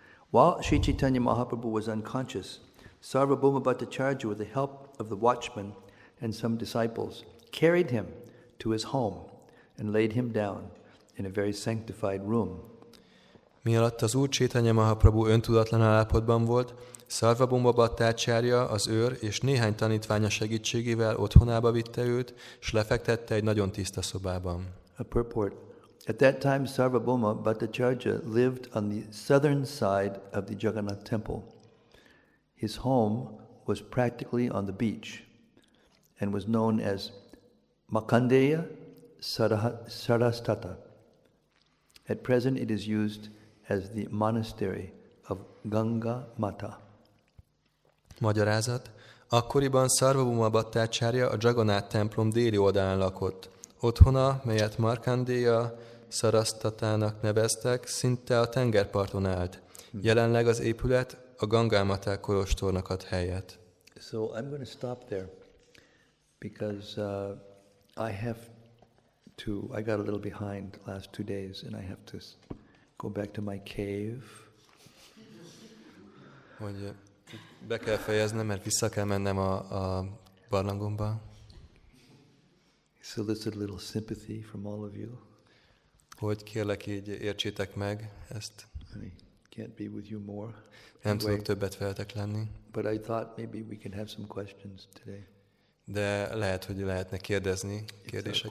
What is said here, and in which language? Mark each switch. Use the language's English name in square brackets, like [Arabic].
[English] While Sri Chaitanya Mahaprabhu was unconscious, Sarvabhauma Bhattacharya, with the help of the watchman and some disciples, carried him to his home and laid him down in a very sanctified room. [Hungarian] Mi alatt az Úr Chaitanya Mahaprabhu öntudatlan állapotban volt, Sarvabhauma Bhattacharya, az őr és néhány tanítványa segítségével otthonába vitte őt, s lefektette egy nagyon tiszta szobában. [English] A purport. At that time Sarvabhauma Bhattacharya lived on the southern side of the Jagannath temple. His home was practically on the beach and was known as Makandeya Sarastata. At present it is used as the monastery of Ganga Mata. [Hungarian] Magyarázat. Akkoriban Sarvabhauma Bhattacharya a Jagannath templom déli oldalán lakott. Otthona, melyet Markandeya Sarastatának neveztek, szinte a tengerparton állt. Jelenleg az épület a Ganga Mata kolostornak ad helyet. [English] So I'm going to stop there because I have to, I got a little behind last 2 days and I have to go back to my cave. [Hungarian] Hogy be kell fejeznem, mert vissza kell mennem a barlangomba. [English] Solicit a little sympathy from all of you. [Hungarian] Hogy kérlek, így értsétek meg ezt. [English] Can't be with you more. [Hungarian] Nem tudok többet veletek lenni. [English] But I thought maybe we can have some questions today. [Hungarian] De lehet, hogy lehetne kérdezni kérdéseket.